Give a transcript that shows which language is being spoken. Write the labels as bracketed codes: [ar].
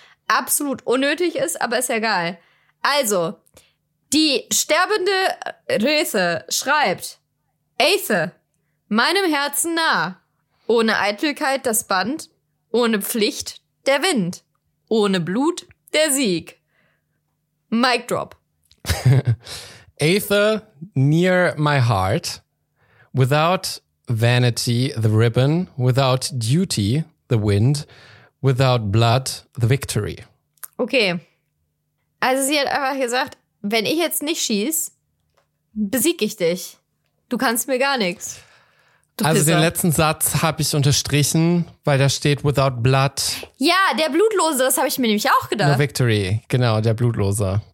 [de] Absolut unnötig ist, aber ist ja geil. Also, die sterbende Räte schreibt, Aether, meinem Herzen nah, ohne Eitelkeit das Band, ohne Pflicht der Wind, ohne Blut der Sieg. [en] Mic drop. Aether, near my heart, without vanity, the ribbon, without duty, the wind, without blood, the victory. Okay. [de] Also sie hat einfach gesagt, wenn ich jetzt nicht schieß, besieg ich dich. Du kannst mir gar nichts. Also den letzten Satz habe ich unterstrichen, weil da steht [en] without blood. [de] Ja, der Blutlose, das habe ich mir nämlich auch gedacht. [en] No victory, [de] genau, der Blutlose.